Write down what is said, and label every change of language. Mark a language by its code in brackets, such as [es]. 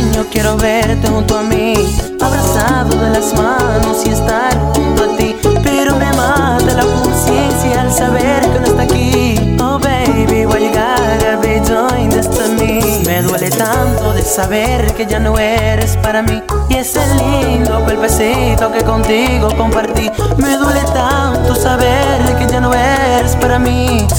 [es] Quiero verte junto a mí, abrazado de las manos y estar junto a ti. Pero me mata la conciencia al saber que no está aquí. [en] Oh baby, why you gotta be doing this to me? [es] Me duele tanto de saber que ya no eres para mí. Y ese lindo cuerpecito que contigo compartí. Me duele tanto saber que ya no eres para mí.